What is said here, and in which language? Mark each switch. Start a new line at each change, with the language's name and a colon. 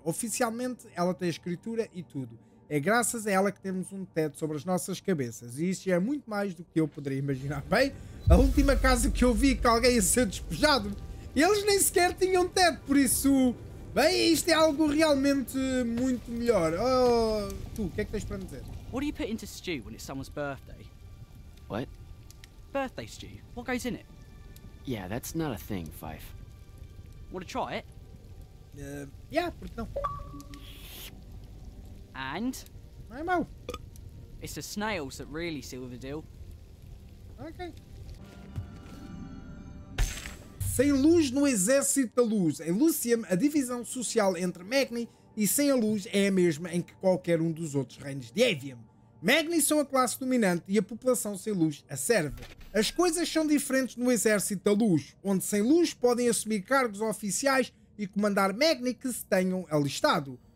Portuguese: Oficialmente, ela tem a escritura e tudo. É graças a ela que temos um teto sobre as nossas cabeças. E isso é muito mais do que eu poderia imaginar. Bem, a última casa que eu vi que alguém ia ser despejado, eles nem sequer tinham teto, por isso... Bem, isto é algo realmente muito melhor. Oh, tu, o que é que tens para me dizer?
English: What do you put into stew when it's someone's birthday? What? Birthday stew. What goes in it? Yeah, that's not a thing, Fife. Want to try it? Yeah, but no. And? Rainbow. It's the snails that really seal the deal. Okay.
Portuguese: Sem luz no exército da luz. Em Lucium, a divisão social entre Magni e sem a luz é a mesma em que qualquer um dos outros reinos de Evium. Magni são a classe dominante e a população sem luz a serve. As coisas são diferentes no exército da luz, onde sem luz podem assumir cargos oficiais e comandar Magni que se tenham alistado.